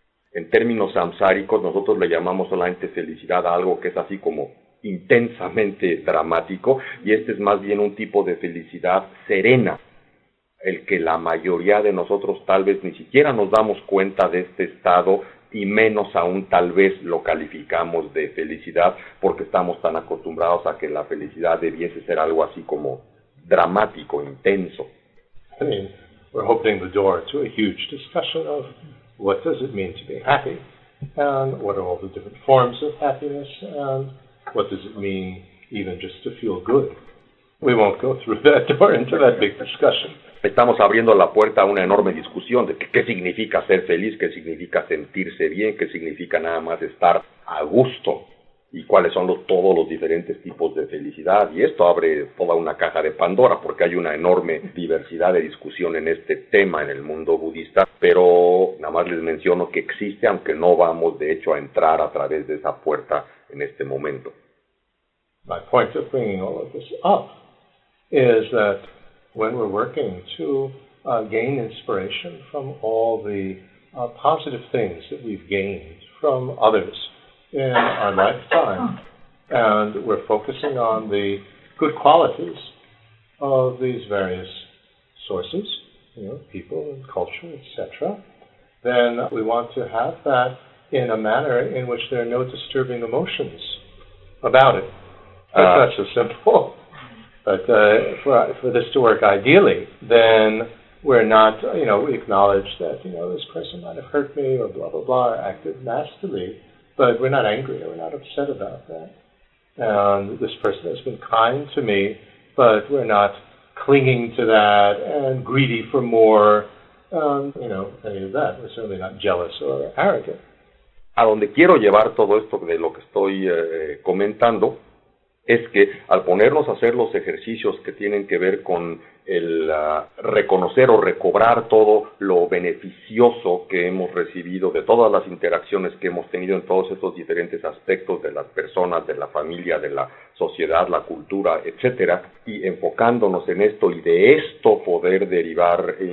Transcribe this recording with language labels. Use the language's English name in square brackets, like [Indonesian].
[Spanish] En términos samsáricos, nosotros le llamamos solamente felicidad a algo que es así como intensamente dramático, y este es más bien un tipo de felicidad serena, el que la mayoría de nosotros tal vez ni siquiera nos damos cuenta de este estado, y menos aún tal vez lo calificamos de felicidad, porque estamos tan acostumbrados a que la felicidad debiese ser algo así como dramático, intenso. [English] I mean, we're opening the door to a huge discussion of what does it mean to be happy, and what are all the different forms of happiness, and what does it mean even just to feel good. We won't go through that door into that big discussion. [Spanish] Estamos abriendo la puerta a una enorme discusión de qué significa ser feliz, qué significa sentirse bien, qué significa nada más estar a gusto, y cuáles son todos los diferentes tipos de felicidad. Y esto abre toda una caja de Pandora, porque hay una enorme diversidad de discusión en este tema en el mundo budista, pero nada más les menciono que existe, aunque no vamos de hecho a entrar a través de esa puerta en este momento. [English] My point of bringing all of this up is that when we're working to gain inspiration from all the positive things that we've gained from others in our lifetime, and we're focusing on the good qualities of these various sources, you know, people and culture, etc., then we want to have that in a manner in which there are no disturbing emotions about it. That's so simple. But for this to work ideally, then we're not, you know, we acknowledge that, you know, this person might have hurt me or blah, blah, blah, or acted nastily, but we're not angry or we're not upset about that. And this person has been kind to me, but we're not clinging to that and greedy for more, you know, any of that. We're certainly not jealous or arrogant. [Spanish] A donde quiero llevar todo esto de lo que estoy comentando, es que al ponernos a hacer los ejercicios que tienen que ver con el reconocer o recobrar todo lo beneficioso que hemos recibido de todas las interacciones que hemos tenido en todos estos diferentes aspectos de las personas, de la familia, de la sociedad, la cultura, etcétera, y enfocándonos en esto y de esto poder derivar